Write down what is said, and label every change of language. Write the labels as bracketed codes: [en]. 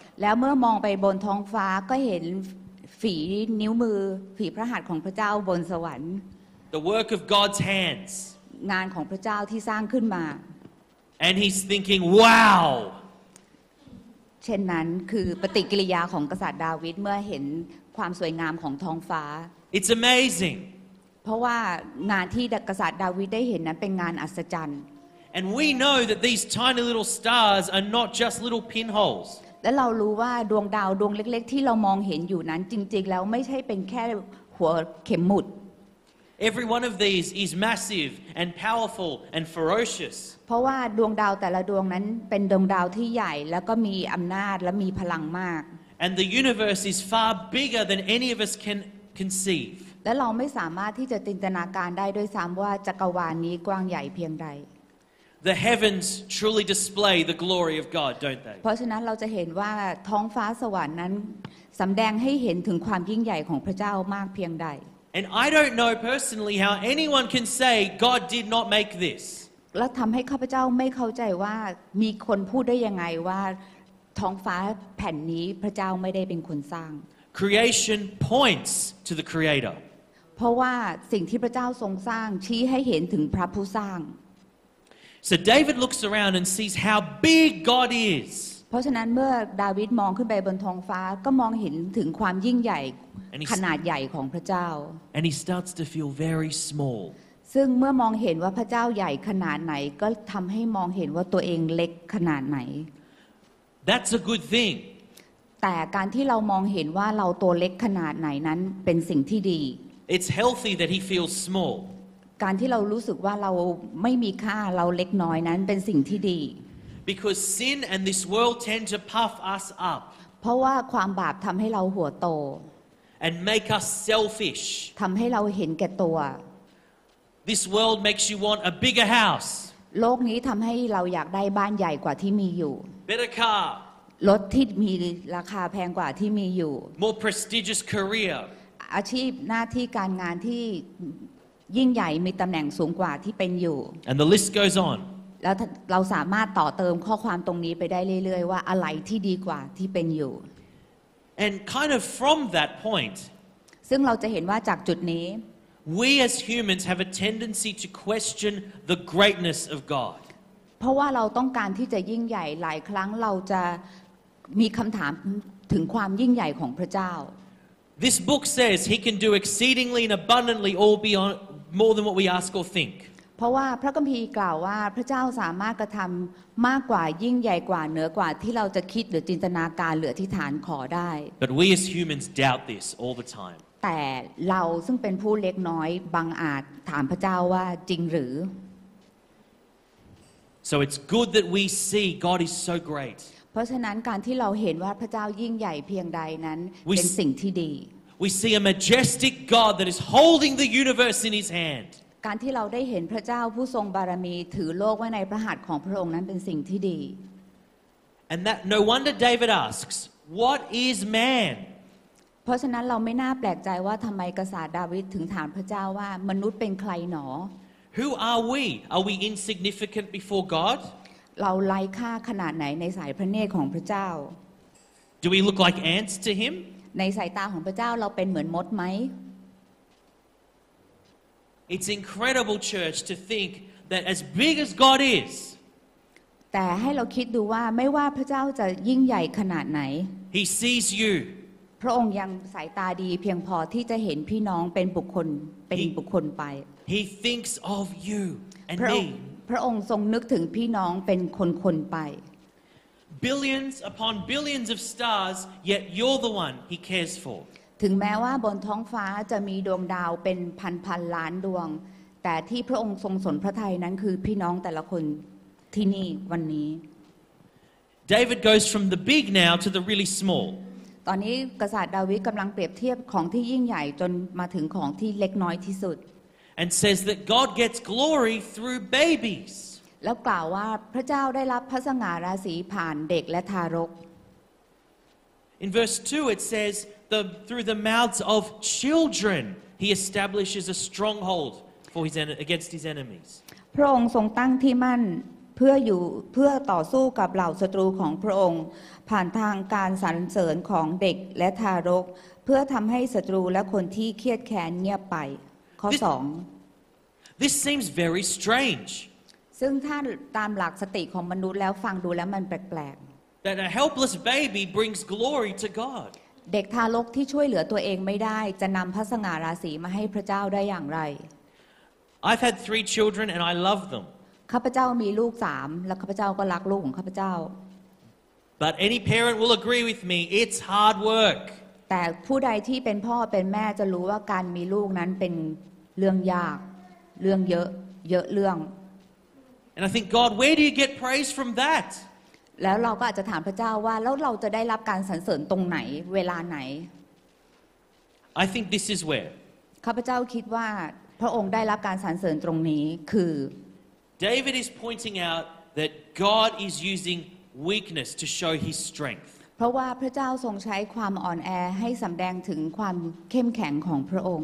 [th] แล้วเมื่อมองไปบนท้องฟ้าก็เห็นฝีนิ้วมือฝีพระหัตถ์ของพระเจ้าบนสวรรค์ [en] The work of God's hands. [th] งานของพระเจ้าที่สร้างขึ้นมา [en] And he's thinking, "Wow." [th] เช่นนั้นคือปฏิกิริยาของกษัตริย์ดาวิดเมื่อเห็นความสวยงามของท้องฟ้า [en] It's amazing. [th] เพราะว่างานที่กษัตริย์ดาวิดได้เห็นนั้นเป็นงานอัศจรรย์ [en] And we know that these tiny little stars are not just little pinholes [th] และเรารู้ว่าดวงดาวดวงเล็กๆที่เรามองเห็นอยู่นั้นจริงๆแล้วไม่ใช่เป็นแค่หัวเข็มหมุด [en] Every one of these is massive and powerful and ferocious [th] เพราะว่าดวงดาวแต่ละดวงนั้นเป็นดวงดาวที่ใหญ่แล้วก็มีอำนาจและมีพลังมาก [en] And the universe is far bigger than any of us can conceive [th] และเราไม่สามารถที่จะจินตนาการได้ด้วยซ้ำว่าจักรวาลนี้กว้างใหญ่เพียงใด [en] The heavens truly display the glory of God, don't they? [th] เพราะฉะนั้นเราจะเห็นว่าท้องฟ้าสวรรค์นั้นสำแดงให้เห็นถึงความยิ่งใหญ่ของพระเจ้ามากเพียงใด [en] And I don't know personally how anyone can say God did not make this. [th] และทำให้ข้าพเจ้าไม่เข้าใจว่ามีคนพูดได้ยังไงว่าท้องฟ้าแผ่นนี้พระเจ้าไม่ได้เป็นคนสร้าง [en] Creation points to the Creator. [th] เพราะว่าสิ่งที่พระเจ้าทรงสร้างชี้ให้เห็นถึงพระผู้สร้าง [en] So David looks around and sees how big God is [th] เพราะฉะนั้นเมื่อดาวิดมองขึ้นไปบนท้องฟ้าก็มองเห็นถึงความยิ่งใหญ่ขนาดใหญ่ของพระเจ้า [en] And he starts to feel very small [th] ซึ่งเมื่อมองเห็นว่าพระเจ้าใหญ่ขนาดไหนก็ทำให้มองเห็นว่าตัวเองเล็กขนาดไหน [en] That's a good thing [th] แต่การที่เรามองเห็นว่าเราตัวเล็กขนาดไหนนั้นเป็นสิ่งที่ดี [en] It's healthy that he feels small. [th] การที่เรารู้สึกว่าเราไม่มีค่าเราเล็กน้อยนั้นเป็นสิ่งที่ดี [en] Because sin and this world tend to puff us up. [th] เพราะว่าความบาปทำให้เราหัวโต [en] And make us selfish. [th] ทำให้เราเห็นแก่ตัว [en] This world makes you want a bigger house. [th] โลกนี้ทำให้เราอยากได้บ้านใหญ่กว่าที่มีอยู่ [en] Better car [th] รถที่มีราคาแพงกว่าที่มีอยู่ [en] More prestigious career [th] อาชีพหน้าที่การงานที่ยิ่งใหญ่มีตำแหน่งสูงกว่าที่เป็นอยู่ [en] And the list goes on [th] แล้วเราสามารถต่อเติมข้อความตรงนี้ไปได้เรื่อยๆว่าอะไรที่ดีกว่าที่เป็นอยู่ [en] And kind of from that point [th] ซึ่งเราจะเห็นว่าจากจุดนี้ [en] We as humans have a tendency to question the greatness of God. [th] เพราะว่าเราต้องการที่จะยิ่งใหญ่หลายครั้งเราจะมีคำถามถึงความยิ่งใหญ่ของพระเจ้า [en] This book says he can do exceedingly and abundantly all beyond more than what we ask or think. [th] เพราะว่าพระคัมภีร์กล่าวว่าพระเจ้าสามารถกระทำมากกว่ายิ่งใหญ่กว่าเหนือกว่าที่เราจะคิดหรือจินตนาการหรืออธิษฐานขอได้ [en] But we as humans doubt this all the time. [th] แต่เราซึ่งเป็นผู้เล็กน้อยบางอาจถามพระเจ้าว่าจริงหรือ [en] So it's good that we see God is so great [th] เพราะฉะนั้นการที่เราเห็นว่าพระเจ้ายิ่งใหญ่เพียงใดนั้นเป็นสิ่งที่ดี [en] We see a majestic God that is holding the universe in his hand [th] การที่เราได้เห็นพระเจ้าผู้ทรงบารมีถือโลกไว้ในพระหัตถ์ของพระองค์นั้นเป็นสิ่งที่ดี [en] And that no wonder David asks what is man [th] เพราะฉะนั้นเราไม่น่าแปลกใจว่าทำไมกษัตริย์ดาวิดถึงถามพระเจ้าว่ามนุษย์เป็นใครหนอ [en] Who are we? Are we insignificant before God? [th] เราไร้ค่าขนาดไหนในสายพระเนตรของพระเจ้า [en] Do we look like ants to him? [th] ในสายตาของพระเจ้าเราเป็นเหมือนมดไหม [en] It's incredible church to think that as big as God is [th] แต่ให้เราคิดดูว่าไม่ว่าพระเจ้าจะยิ่งใหญ่ขนาดไหน [en] He sees you [th] พระองค์ยังสายตาดีเพียงพอที่จะเห็นพี่น้องเป็นบุคคลไป [en] He thinks of you and me [th] พระองค์ทรงนึกถึงพี่น้องเป็นคนไป [en] Billions upon billions of stars yet you're the one he cares for [th] ถึงแม้ว่าบนท้องฟ้าจะมีดวงดาวเป็นพันๆล้านดวงแต่ที่พระองค์ทรงสนพระทัยนั้นคือพี่น้องแต่ละคนที่นี่วันนี้ [en] David goes from the big now to the really small [th] ตอนนี้กษัตริย์ดาวิดกำลังเปรียบเทียบของที่ยิ่งใหญ่จนมาถึงของที่เล็กน้อยที่สุด [en] And says that God gets glory through babies [th] แล้วกล่าวว่าพระเจ้าได้รับพระสง่าราศีผ่านเด็กและทารก [en] In verse 2 it says the through the mouths of children he establishes a stronghold for his against his enemies [th] พระองค์ทรงตั้งที่มั่นเพื่ออยู่เพื่อต่อสู้กับเหล่าศัตรูของพระองค์ผ่านทางการสรรเสริญของเด็กและทารกเพื่อทำให้ศัตรูและคนที่เครียดแค้นเงียบไปข้อ2 [en] This seems very strange [th] ซึ่งถ้าตามหลักสติของมนุษย์แล้วฟังดูแล้วมันแปลก [en] That a helpless baby brings glory to God [th] เด็กทารกที่ช่วยเหลือตัวเองไม่ได้จะนำพระสง่าราศีมาให้พระเจ้าได้อย่างไร [en] I've had 3 children and I love them [th] ข้าพเจ้ามีลูก3และข้าพเจ้าก็รักลูกของข้าพเจ้า [en] But any parent will agree with me it's hard work [th] แต่ผู้ใดที่เป็นพ่อเป็นแม่จะรู้ว่าการมีลูกนั้นเป็นเรื่องยากเรื่องเยอะเยอะเรื่อง [en] And I think God where do you get praise from that [th] แล้วเราก็อาจจะถามพระเจ้าว่าแล้วเราจะได้รับการสรรเสริญตรงไหนเวลาไหน [en] I think this is where [th] ข้าพเจ้าคิดว่าพระองค์ได้รับการสรรเสริญตรงนี้คือ [en] David is pointing out that God is using weakness to show his strength. [th] เพราะว่าพระเจ้าทรงใช้ความอ่อนแอให้สำแดงถึงความเข้มแข็งของพระองค